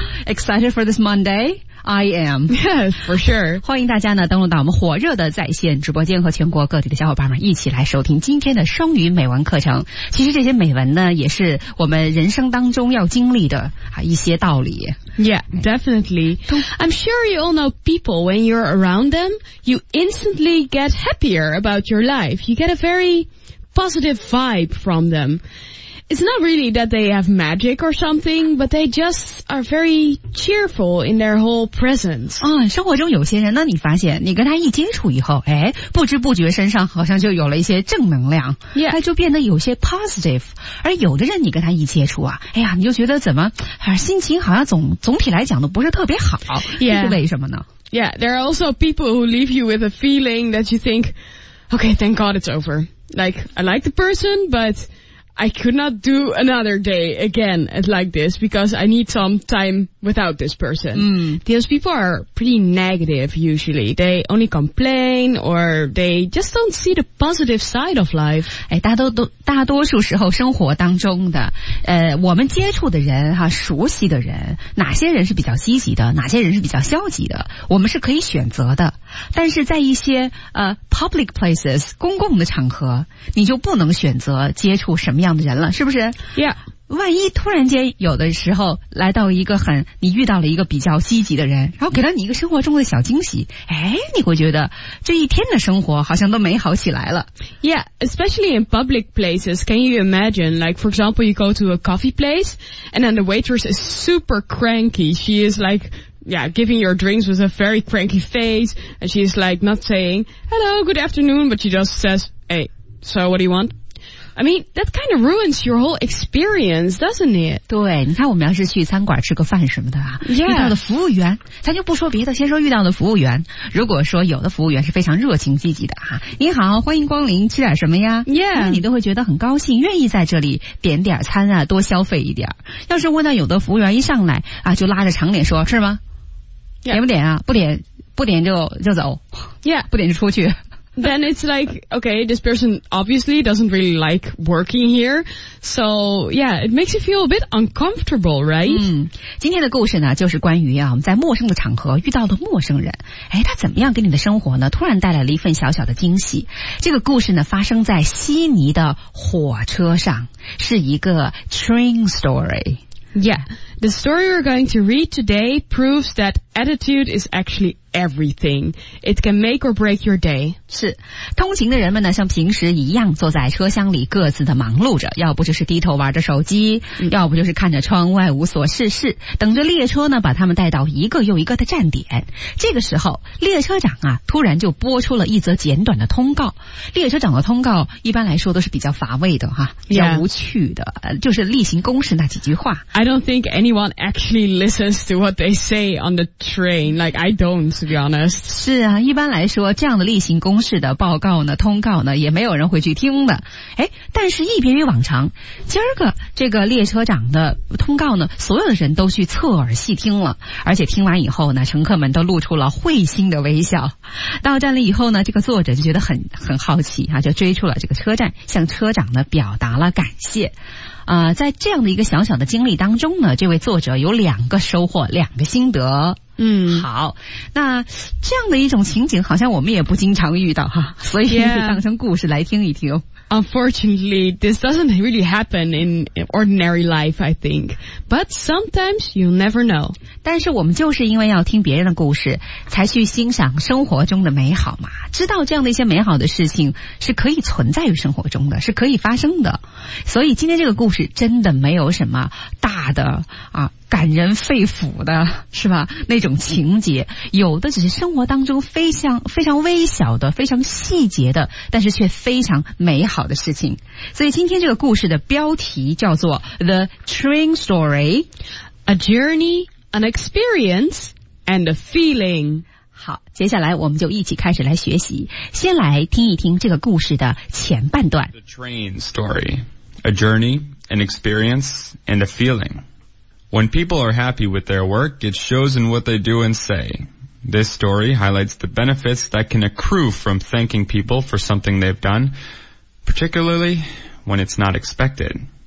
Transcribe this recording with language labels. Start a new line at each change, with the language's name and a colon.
English: Excited for this Monday? I am. Yes, for sure.
Chinese: 欢迎大家呢登录到我们火热的在线直播间和全国各地的小伙伴们一起来收听今天的双语美文课程。其实这些美文呢也是我们人生当中要经历的一些道理。
English: Yeah, definitely. I'm sure you all know people, when you're around them, you instantly get happier about your life. You get a very positive vibe from them. It's not really that they have magic or something, but they just... are very cheerful in their whole presence.
Chinese: 生活中有些人呢，你发现你跟他一接触以后，哎，不知不觉身上好像就有了一些正能量，
English: yeah.
Chinese: 他就变得有些 positive. 而有的人你跟他一接触啊，哎呀，你就觉得怎么，心情好像总体来讲都不是特别好，
English: yeah.
Chinese: 这是为什么呢？
English: Yeah, there are also people who leave you with a feeling that you think, okay, thank God it's over. Like, I like the person, but... I could not do another day again like this because I need some time without this person. Mm. These people are pretty negative usually. They only complain or they just don't see the positive side of life.
Chinese: 哎，大多数时候生活当中的，我们接触的人哈，熟悉的人，哪些人是比较积极的，哪些人是比较消极的，我们是可以选择的。但是在一些
English: public places
Chinese: 公共的场合，你就不能选择接触什么样的人了，是不是
English: ？Yeah，
Chinese: 万一突然间有的时候来到一个很你遇到了一个比较积极的人，然后给了你一个生活中的小惊喜，哎，你会觉得这一天的生活好像都美好起来了。
English: Yeah， especially in public places. Can you imagine? Like for example, you go to a coffee place, and then the waitress is super cranky. She is like. Yeah, giving your drinks with a very cranky face, and she's like not saying, hello, good afternoon, but she just says, hey, so what do you want? I mean, that kind of ruins your whole experience, doesn't it?
Chinese: 对，你看我们要是去餐馆吃个饭什么的啊，
English: yeah.
Chinese: 遇到的服务员，咱就不说别的，先说遇到的服务员。如果说有的服务员是非常热情积极的啊，你好，欢迎光临，吃点什么呀？
English: Yeah.
Chinese: 你都会觉得很高兴，愿意在这里点点餐啊，多消费一点。要是问到有的服务员一上来啊，就拉着长脸说，是吗？
English: Yeah.
Chinese: 点不点啊？不点就走。
English: Yeah.
Chinese: 不点就出去。
English: Then it's like, okay, this person obviously doesn't really like working here. So, yeah, it makes you feel a bit uncomfortable, right?
Chinese: 今天的故事呢，就是关于啊，我们在陌生的场合遇到的陌生人。哎，他怎么样给你的生活呢？突然带来了一份小小的惊喜。这个故事呢，发生在悉尼的火车上，是一个
English: train story。 Yeah, the story we're going to read today proves that attitude is actually everything. It can make or break your day.
Chinese: 是，通勤的人们呢，像平时一样坐在车厢里各自的忙碌着，要不就是低头玩着手机，要不就是看着窗外无所事事，等着列车呢把他们带到一个又一个的站点。这个时候，列车长啊，突然就播出了一则简短的通告。列车长的通告一般来说都是比较乏味的哈，比较无趣的，
English: yeah.
Chinese: 就是例行公事那几句话。
English: I don't think anyone actually listens to what they say on the train. Like, I don't. To be honest.
Chinese: 是啊，一般来说这样的例行公事的报告呢通告呢也没有人会去听的。哎，但是一别于往常，今儿个这个列车长的通告呢所有的人都去侧耳细听了，而且听完以后呢乘客们都露出了会心的微笑。到站了以后呢，这个作者就觉得很好奇啊，就追出了这个车站，向车长呢表达了感谢。在这样的一个小小的经历当中呢，这位作者有两个收获，两个心得。好，那这样的一种情景好像我们也不经常遇到哈，所以当成故事来听一听。
English: Yeah. Unfortunately, this doesn't really happen in ordinary life, I think. But sometimes you'll never know.
Chinese: 但是我们就是因为要听别人的故事，才去欣赏生活中的美好嘛。知道这样的一些美好的事情是可以存在于生活中的，是可以发生的。所以今天这个故事真的没有什么大的啊。感人肺腑的是吧，那种情节有的只是生活当中非常非常微小的非常细节的但是却非常美好的事情。所以今天这个故事的标题叫做
English: The Train Story, A Journey, An Experience, and a Feeling.
Chinese: 好，接下来我们就一起开始来学习，先来听一听这个故事的前半段。
English: The train story, a journey, an experience, and a feeling. When people are happy with their work, it shows in what they do and say. This story highlights the benefits that can accrue from thanking people for something they've done, particularly when it's not expected.